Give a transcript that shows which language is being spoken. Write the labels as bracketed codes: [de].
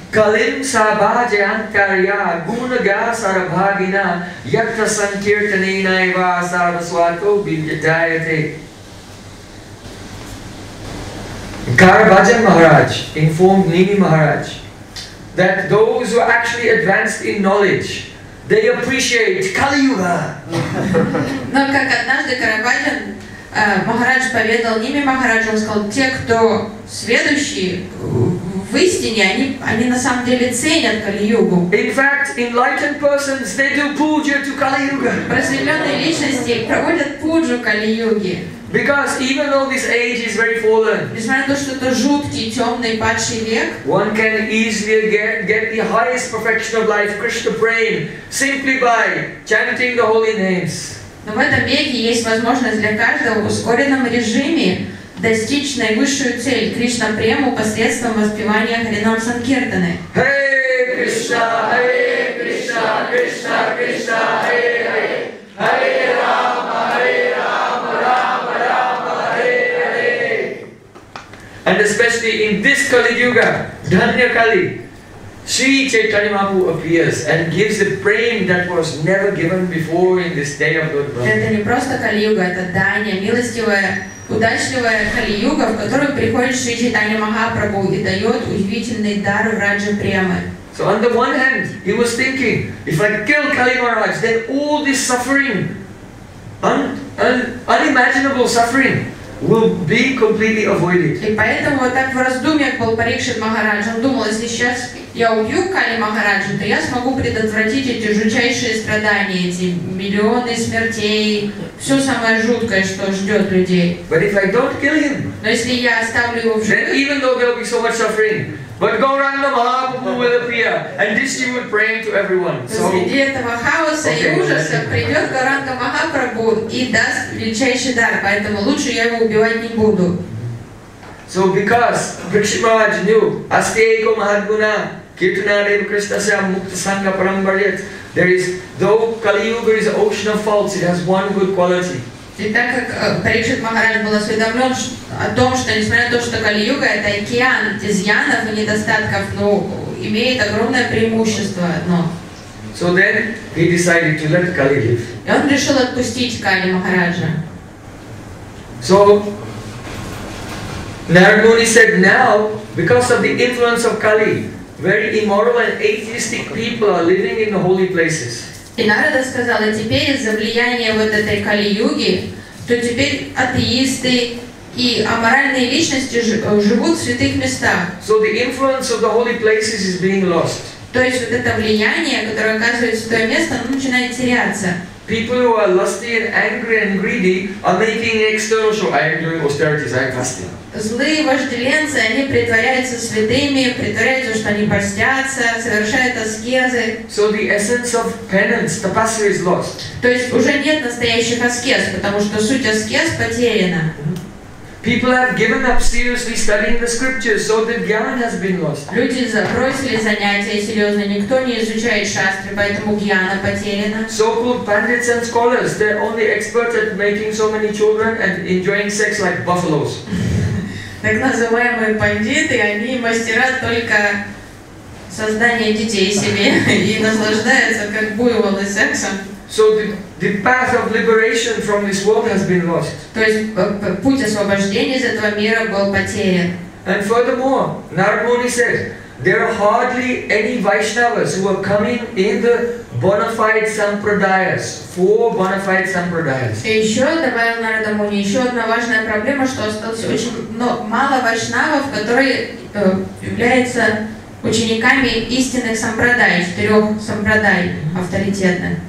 [sa] Калим Сабаджи Анкарья Гунага Сарабхагина Якта Санкиртанина Ива Сарасвато Бидитаяте. [en] Karabhajan Maharaj informed Nini Maharaj that those who are actually advanced in knowledge, they appreciate Kali Yuga. [ru] Но как однажды Карабаджан Махарадж поведал Нини Махараджу, он сказал, те, кто сведущие в истине, они на самом деле ценят Кали Югу. [en] In fact, enlightened persons, they do puja to Kali Yuga. [ru] Просветленные личности проводят пуджу Кали Юге. [en] Because even though this age is very fallen, [ru] несмотря на то, что это жуткий, темный, падший век, [en] one can easily get the highest perfection of life, Krishna Prem, simply by chanting the holy names. [ru] Но в этом веке есть возможность для каждого в ускоренном режиме достичь наивысшую цель Кришна Прему посредством воспевания Харинам Санкиртаны. [en] Hey Krishna, Krishna, Krishna, Hey Hey, Hey. And especially in this Kali Yuga, Dhanya Kali, Sri Chaitanya Mahaprabhu appears and gives the prem that was never given before in this day of Lord Brahma. [ru] Это не просто Кали Юга, это Дания, милостивая, удачливая Кали Юга, в которую приходит Шри Чайтанья Махапрабху и дает удивительный дар Раджа Премы. [en] So on the one hand, he was thinking, if I kill Kali Maharaj, then all this suffering, unimaginable suffering, will be completely avoided. [ru] И поэтому вот так в раздумьях был Парикшит Махарадж. Он думал, если сейчас я убью Кали Махараджа, то я смогу предотвратить эти жутчайшие страдания, эти миллионы смертей, все самое жуткое, что ждет людей. [en] But if I don't kill him, [ru] но если я оставлю его в живых, [en] then even though there will be so much suffering, but Gauranga Mahaprabhu will appear and distribute prem to everyone. So, [ru] среди этого хаоса и ужаса придет Гауранга Махапрабху и даст величайший дар, поэтому лучше я его убивать не буду. [en] So because Parikshit Maharaj knew [sa] Asti Eko Mahadguna Kirtanadeva Krishnasya Mukta Sangha Parambaryat, [en] there is, though Kali Yuga is an ocean of faults, it has one good quality. [ru] И так как Парикшит Махарадж был осведомлен о том, что несмотря на то, что Кали-Юга это океан изъянов и недостатков, но имеет огромное преимущество одно. [en] So then he decided to let Kali live. [ru] И он решил отпустить Кали Махараджа. [en] So Narad Muni said, now, because of the influence of Kali, very immoral and atheistic people are living in the holy places. [ru] И Нарада сказал, а теперь из-за влияния вот этой Кали-Юги, то теперь атеисты и аморальные личности живут в святых местах. [en] So the influence of the holy places is being lost. [ru] То есть вот это влияние, которое оказывает святое место, оно начинает теряться. [en] People who are lusty and angry and greedy are making external show. I am doing austerities, I am fasting. [ru] Злые вожделенцы, они притворяются святыми, притворяются, что они постятся, совершают аскезы. [en] So the essence of penance, tapasya is lost. [ru] То есть уже нет настоящих аскез, потому что суть аскез потеряна. [en] People have given up seriously studying the scriptures, so the gyan has been lost. [ru] Люди забросили занятия серьезно, никто не изучает шастры, поэтому гьяна потеряна. [en] So-called pandits and scholars, they're only experts at making so many children and enjoying sex like buffaloes. [ru] Так называемые пандиты, они мастера только создания детей себе и наслаждаются как буйволы сексом. [en] So the path of liberation from this world has been lost. [ru] То есть путь освобождения из этого мира был потерян. [en] And furthermore, Narad Muni says, there are hardly any Vaishnavas who are coming in the bona fide sampradayas, four bona fide sampradayas. [ru] И еще добавил Нарада Муни, еще одна важная проблема, что осталось очень мало вайшнавов, которые являются учениками истинных сампрадай, четырех сампрадай авторитетных.